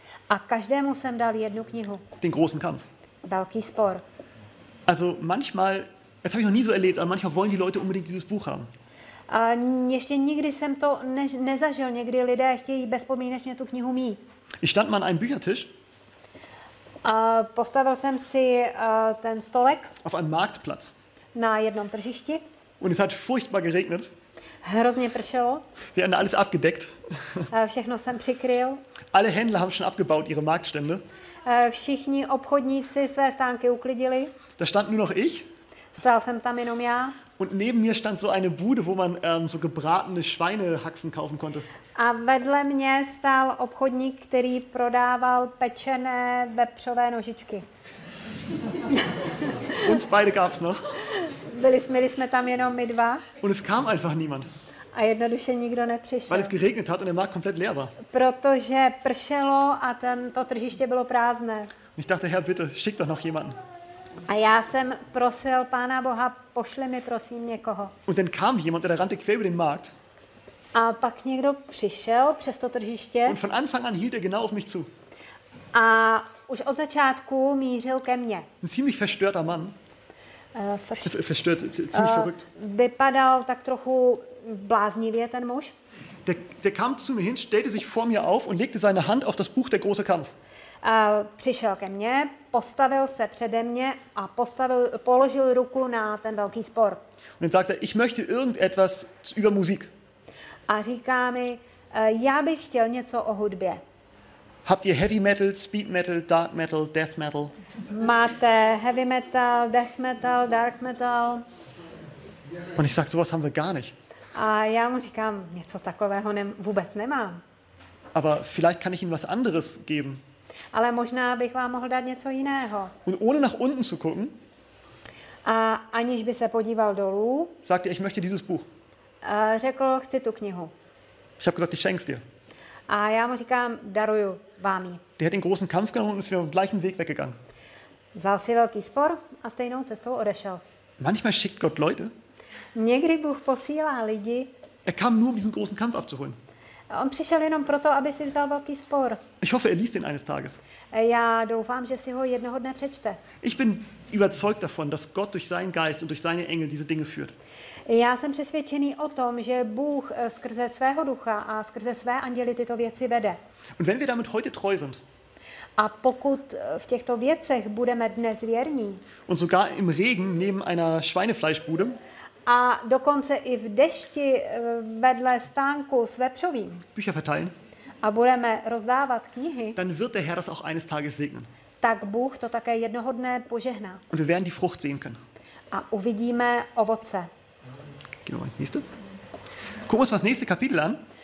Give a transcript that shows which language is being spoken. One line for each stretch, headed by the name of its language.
Czech: A každému jsem dal jednu knihu.
German: Den großen Kampf.
Czech: Velký spor.
German: Also manchmal, das habe ich noch nie so erlebt, aber manchmal wollen die Leute unbedingt dieses Buch haben.
Czech: A ještě nikdy jsem to nezažil, někdy lidé chtějí bezpodmínečně tu knihu mít.
German: Ich stand mal an einem Büchertisch.
Czech: A postavil jsem si ten stolek.
German: Auf einem Marktplatz.
Czech: Na jednom tržišti.
German: Und es hat furchtbar geregnet.
Czech: Hrozně pršelo.
German: Wir haben alles abgedeckt.
Czech: Všechno jsem přikryl.
German: Alle Händler haben schon abgebaut ihre Marktstände.
Czech: všichni obchodníci své stánky uklidili.
German: Da stand nur noch ich.
Czech: Stál jsem tam jenom já.
German: Und neben mir stand so eine Bude, wo man so gebratene Schweinehaxen kaufen konnte.
Czech: A vedle mě stál obchodník, který prodával pečené vepřové nožičky.
German: Uns beide gab's noch.
Czech: Byli jsme tam jenom my dva.
German: Und es kam einfach niemand.
Czech: A jednoduše nikdo nepřišel.
German: Weil es geregnet hat und der Markt komplett leer war.
Czech: Protože pršelo a to tržiště bylo prázdné.
German: Und ich dachte, Herr, bitte, schick doch noch jemanden.
Czech: A já jsem prosil Pána Boha, pošli mi prosím někoho.
German: Und dann kam jemand, der rannte quer über den Markt.
Czech: A pak někdo přišel přes to tržiště.
German: Und von Anfang an hielt genau auf mich zu.
Czech: A už od začátku mířil ke mně.
German: Ein ziemlich verstörter Mann. Verrückt.
Czech: Vypadal tak trochu bláznivě ten muž.
German: Der kam zu mir hin, stellte sich vor mir auf und legte seine Hand auf das Buch Der große Kampf.
Czech: Přišel ke mně, postavil se přede mě a položil ruku na ten velký spor.
German: Und dann sagte, ich möchte irgendetwas über Musik.
Czech: A říká mi, já bych chtěl něco o hudbě.
German: Habt ihr Heavy Metal, Speed Metal, Dark Metal, Death Metal?
Czech: Máte Heavy Metal, Death Metal, Dark Metal?
German: Und ich sag, sowas haben wir gar nicht.
Czech: A já mu říkám, něco takového vůbec nemám.
German: Aber vielleicht kann ich Ihnen was anderes geben.
Czech: Ale možná bych vám mohl dát něco jiného.
German: Und ohne nach unten zu gucken.
Czech: A aniž by se podíval dolů.
German: Sagte, ich möchte dieses Buch.
Czech: Řekl, chci tu knihu.
German: Ich habe gesagt, ich schenk's dir.
Czech: A já mu říkám, daruju vám ji.
German: Der hat den großen Kampf genommen und ist auf dem gleichen Weg weggegangen.
Czech: Vzal si velký spor a stejnou cestou odešel.
German: Manchmal schickt Gott Leute.
Czech: Někdy Bůh posílá lidi.
German: Er kam nur, um diesen großen Kampf abzuholen.
Czech: On přišel jenom proto, aby si vzal velký spor.
German: Ich hoffe, er liest ihn eines Tages.
Czech: Já doufám, že si ho jednoho dne přečte.
German: Ich bin überzeugt davon, dass Gott durch seinen Geist und durch seine Engel diese Dinge führt.
Czech: Já jsem přesvědčený o tom, že Bůh skrze svého ducha a skrze své anděly tyto věci vede.
German: Und wenn wir damit heute treu sind.
Czech: A pokud v těchto věcech budeme dnes věrní.
German: Und sogar im Regen neben einer Schweinefleischbude.
Czech: A dokonce i v dešti vedle stánku s vepřovým.
German: Bücher verteilen.
Czech: A budeme rozdávat knihy.
German: Dann wird der Herr das auch eines Tages segnen.
Czech: Tak Bůh to také jednoho dne požehná.
German: Und wir werden die Frucht sehen können.
Czech: A uvidíme ovoce.
German: Gehen wir mal ins nächste. Gucken wir uns das nächste Kapitel an.